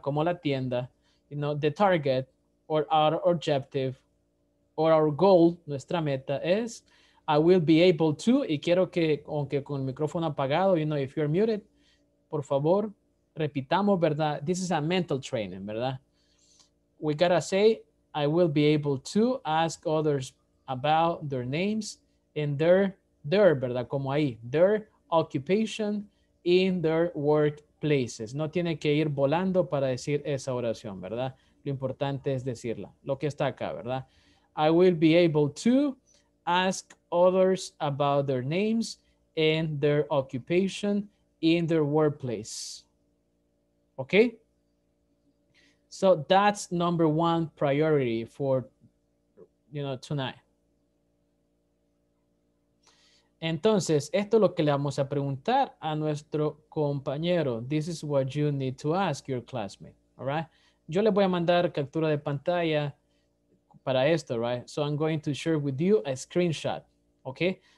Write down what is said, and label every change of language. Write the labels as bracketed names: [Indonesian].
[Spanish] Como la tienda, [English] you know, the target or our objective or our goal, [Spanish] nuestra meta es, [English] I will be able to, [Spanish] y quiero que, aunque con el micrófono apagado, [English] you know, if you're muted, [Spanish] por favor, repitamos, [English] ¿verdad? This is a mental training, ¿verdad? We gotta say, I will be able to ask others about their names and their, ¿verdad? [Spanish] Como ahí, [English] their occupation in their workplaces. [Spanish] No tiene que ir volando para decir esa oración, ¿verdad? Lo importante es decirla, lo que está acá, ¿verdad? [English] I will be able to ask others about their names and their occupation in their workplace. Okay? So that's number one priority for, you know, tonight. [Spanish] Entonces, esto es lo que le vamos a preguntar a nuestro compañero. [English] This is what you need to ask your classmate, all right? [Spanish] Yo le voy a mandar captura de pantalla para esto, [English] right? So I'm going to share with you a screenshot, okay?